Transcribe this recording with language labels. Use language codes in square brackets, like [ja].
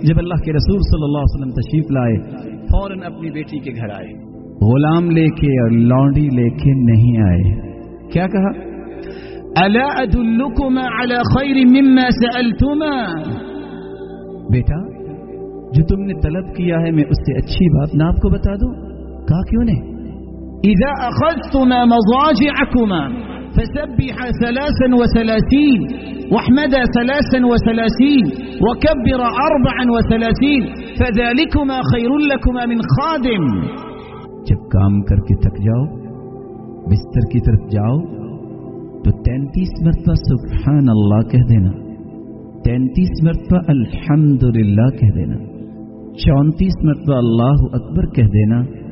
[ur] جب اللہ کے رسول صلی اللہ علیہ وسلم تشریف لائے فوراً اپنی بیٹی کے گھر آئے, غلام لے کے اور لونڈی لے کے نہیں آئے, کیا کہا, [ar] الا ادلکما علی خیر مما سألتما, [ur] بیٹا جو تم نے طلب کیا ہے میں اس سے اچھی بات نہ آپ کو بتا دوں, کہا کیوں نہیں, [ar] اذا اخذتما مضاجعكما فسبح ثلاثا وثلاثين واحمد ثلاثا وثلاثين وكبر اربعا وثلاثين فذلكما خير لكما من خادم. [ur] جب کام کر کے تھک جاؤ بستر کی طرف جاؤ تو 33 مرتبہ سبحان اللہ کہہ دینا, 33 مرتبہ الحمد للہ کہہ دینا, 34 مرتبہ اللہ اکبر کہہ دینا.